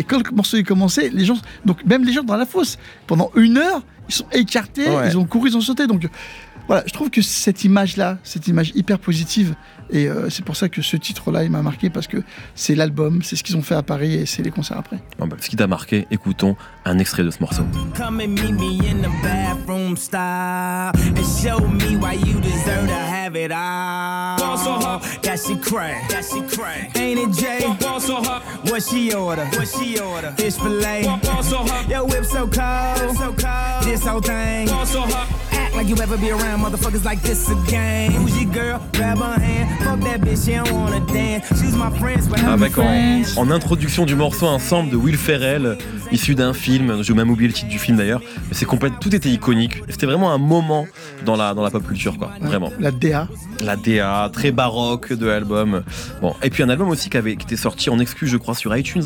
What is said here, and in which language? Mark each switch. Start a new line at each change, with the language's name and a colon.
French: Et quand le morceau est commencé, les gens, donc même les gens dans la fosse, pendant une heure, ils sont écartés, ils ont couru, ils ont sauté. Donc voilà, je trouve que cette image-là, cette image hyper positive, et c'est pour ça que ce titre-là, il m'a marqué, parce que c'est l'album, c'est ce qu'ils ont fait à Paris et c'est les concerts après. Bon, ce qui t'a marqué, écoutons un extrait de ce morceau.
English: Come and meet me in the bathroom style and show me why you deserve to have it all. Ball so hard, that she crack, that she crack. Ain't it Jay? Ball so hard, what she order, what she order. Fish filet, ball so hard. Yo, whip so cold, so cold. This whole thing, ball so hard. Like you ever be around motherfuckers like this again. Who's your girl? Grab her hand. Fuck that bitch, she don't wanna dance. She's my friends, but I'm my friends.
French: En introduction du morceau, un sample de Will Ferrell, issu d'un film, j'ai même oublié le titre du film d'ailleurs, mais c'est complet, tout était iconique. C'était vraiment un moment dans la pop culture, quoi, vraiment. La DA. La DA, très baroque de l'album. Bon, et puis un album aussi qui était sorti en exclu, je crois, sur iTunes.